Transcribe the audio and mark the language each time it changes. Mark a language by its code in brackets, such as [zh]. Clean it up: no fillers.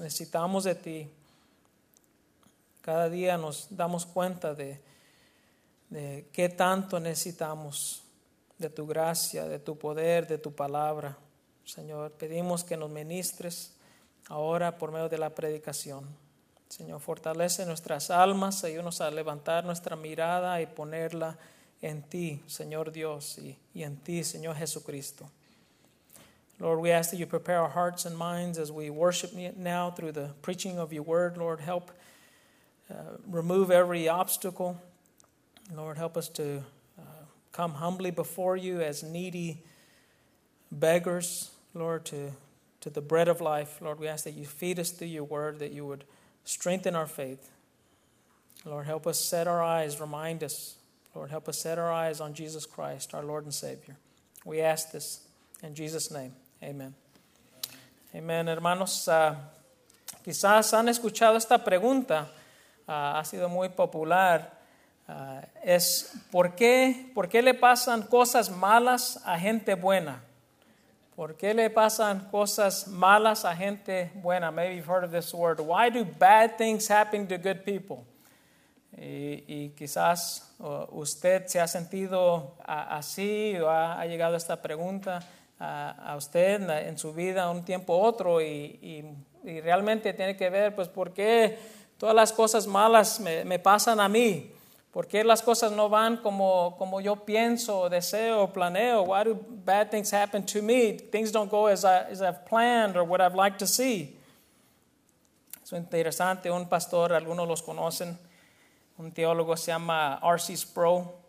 [es] Necesitamos de ti. Cada día nos damos cuenta de qué tanto necesitamos de tu gracia, de tu poder, de tu palabra. Señor, pedimos que nos ministres ahora por medio de la predicación. Señor, fortalece nuestras almas, ayúdanos a levantar nuestra mirada y ponerla en ti, Señor Dios, y en ti, Señor Jesucristo. [en] Lord, we ask that you prepare our hearts and minds as we worship now through the preaching of your word. Lord, help remove every obstacle. Lord, help us to come humbly before you as needy beggars, Lord, to the bread of life. Lord, we ask that you feed us through your word, that you would strengthen our faith. Lord, help us set our eyes, remind us. Lord, help us set our eyes on Jesus Christ, our Lord and Savior. We ask this in Jesus' name. Amen. Amen. [es] Hermanos, quizás han escuchado esta pregunta. Ha sido muy popular. Es ¿por qué le pasan cosas malas a gente buena? ¿Por qué le pasan cosas malas a gente buena? [en] Maybe you've heard of this word. Why do bad things happen to good people? [es] Y quizás usted se ha sentido así o ha llegado esta pregunta a usted en su vida un tiempo u otro, y realmente tiene que ver, pues, ¿por qué todas las cosas malas me pasan a mí? ¿Por qué las cosas no van como yo pienso, deseo, planeo? [en] Why do bad things happen to me? Things don't go as I've planned or what I'd like to see. [es] Es interesante, un pastor, algunos los conocen, un teólogo se llama R.C. Sproul.